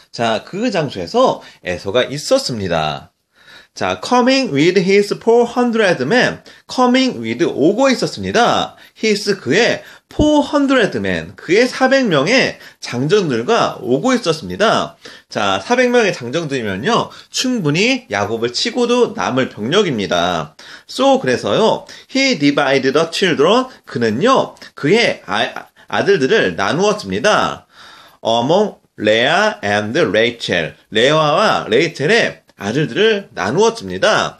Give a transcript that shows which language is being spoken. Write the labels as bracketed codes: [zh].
[ko] 자, 그 장소에서 에서가 있었습니다. 자, [en] coming with his 400 men. coming with [ko] 오고 있었습니다. his 그의 400 men, 그의 400명의 장정들과 오고 있었습니다. 자, 400명의 장정들이면요, 충분히 야곱을 치고도 남을 병력입니다. [en] So, [ko] 그래서요, [en] he divided the children. [ko] 그는요, 그의 아들들을 나누었습니다. [en] among Leah and Rachel. [ko] 레아와 레이첼의 아들들을 나누었습니다.